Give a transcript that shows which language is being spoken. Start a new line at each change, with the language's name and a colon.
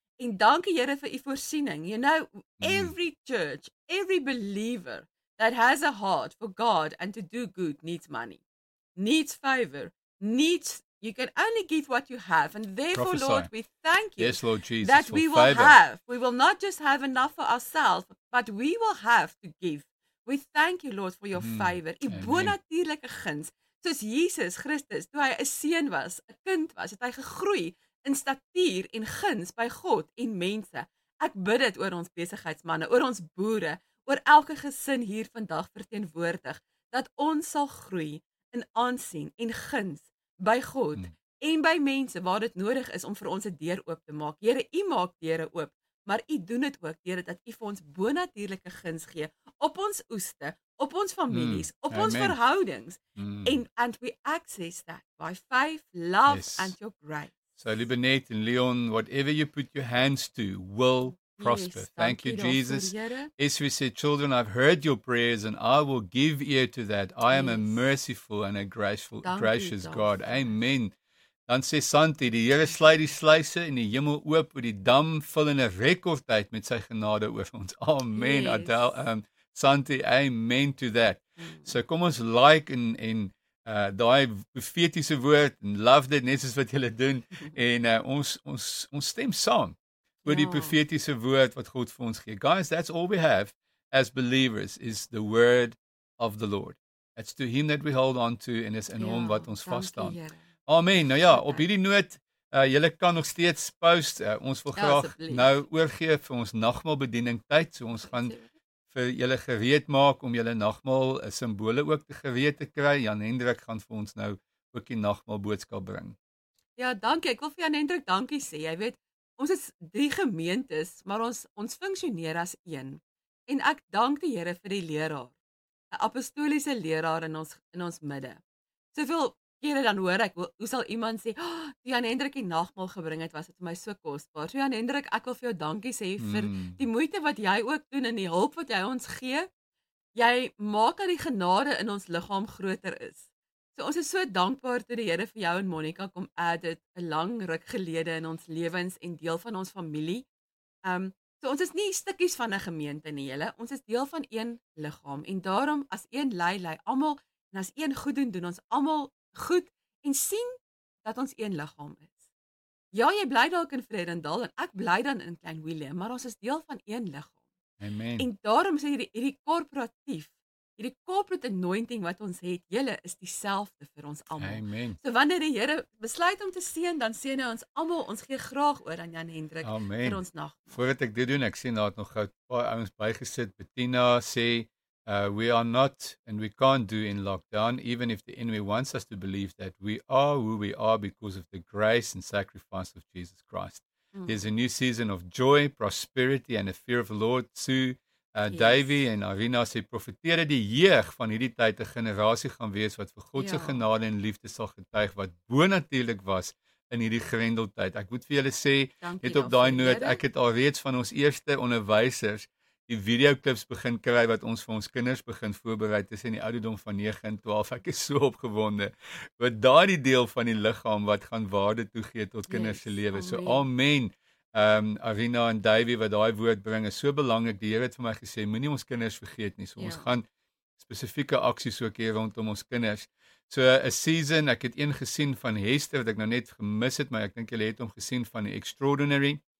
Afrikaans: En dankie Here vir u voorsiening.
English: You know, every church, every believer that has a heart for God and to do good needs money, needs favor, needs, you can only give what you have. And therefore, prophesy. Lord, we thank you Lord Jesus, that we will favor. Have. We will not just have enough for ourselves, but we will have to give. We thank you, Lord, for your favor.
Afrikaans: Die bonatuurlike guns, soos Jesus Christus, toe hy 'n seun was, 'n kind was, het hy gegroei in statuur en guns by God en mense. Ek bid dit oor ons besigheidsmanne, oor ons boere, oor elke gesin hier vandag verteenwoordig, dat ons sal groei in aansien en guns by God en by mense waar dit nodig is om vir ons 'n deur oop te maak. Here, U maak deure oop. Maar u doen dit ook deur dat u vir ons bonatuurlike guns gee op ons oeste, op ons families, op Amen. Ons verhoudings
English: and we access that by faith, love and your grace. So Libanet and Leon, whatever you put your hands to will prosper. Yes, thank you Jesus. Yes, we say, children, I've heard your prayers and I will give ear to that. I am a merciful and a graceful, gracious God. Amen.
Afrikaans: Dan sê Santi, die Here sluit die sluise en die hemel oop, oor die dam vul in 'n rekordtyd met sy genade oor ons. Amen.
English: Yes. Adel, Santi, amen to that.
Afrikaans: So kom ons like en daai profetiese woord and love dit net soos wat julle doen en ons stem saam oor die profetiese woord wat God vir ons gee.
English: Guys, that's all we have as believers is the word of the Lord. It's to him that we hold on to and it's in
Afrikaans: hom wat ons vasstaan. Amen. Nou ja, op hierdie noot, julle kan nog steeds post. Ons wil graag nou oorgee vir ons nagmaalbediening tyd. So ons gaan vir julle gereed maak om julle nagmaal simbole ook te gereed te kry. Jan Hendrik gaan vir ons nou ook die nagmaalboodskap bring. Ja, dankie. Ek wil vir Jan Hendrik dankie sê. Jy weet, ons is 3 gemeentes, maar ons funksioneer as 1. En ek dank die Here vir die leraar. 'N apostoliese leraar in ons midde. Soveel Here dan hoor ek, hoe sal iemand sê, oh, Jan Hendrik die nagmaal gebring het, was dit vir my so kosbaar. So Jan Hendrik, ek wil vir jou dankie sê vir die moeite wat jy ook doen en die hulp wat jy ons gee. Jy maak dat die genade in ons liggaam groter is. So ons is so dankbaar toe die Here vir jou en Monica kom add het, 'n lang ruk gelede in ons lewens en deel van ons familie. So ons is nie stukkies van 'n gemeente nie, julle. Ons is deel van een liggaam en daarom as een lei almal en as een goed doen, doen ons almal goed, en sien dat ons een liggaam is. Ja, jy bly dalk in Vredendal, en ek bly dan in Klein William, maar ons is deel van een liggaam. Amen. En daarom sê hierdie corporate anointing wat ons het, julle is dieselfde vir ons almal. Amen. So wanneer die Here besluit om te seën, dan seën hy ons almal, ons gee graag oor aan Jan Hendrik Amen. Vir ons nagmaal. Voordat ek dit doen, ek sien daar het nog gou 'n paar ouens bygesit, Bettina sê,
English: we are not and we can't do in lockdown, even if the enemy wants us to believe that we are who we are because of the grace and sacrifice of Jesus Christ. There's a new season of joy, prosperity and a fear of the Lord too.
Afrikaans: Davey en Arina sê, profeteer dat die jeug van hierdie tyd 'n generasie gaan wees wat vir God se genade en liefde sal getuig wat bonatuurlik was in hierdie grendeltyd. Ek moet vir julle sê, net op daai noot, ek het al reeds van ons eerste onderwysers die videoklips begin kry wat ons vir ons kinders begin voorberei tussen die ouderdom van 9 en 12. Ek is so opgewonde oor daardie deel van die liggaam wat gaan waarde toegee tot kinders se lewe. So amen. Arina en Davey wat daai woord bring is so belangrik. Die Here het vir my gesê, moenie ons kinders vergeet nie. So ons gaan spesifieke aksies ook hier rondom ons kinders. So a season, ek het een gesien van Hester wat ek nou net gemis het, maar ek dink julle het hom gesien van die Extraordinary.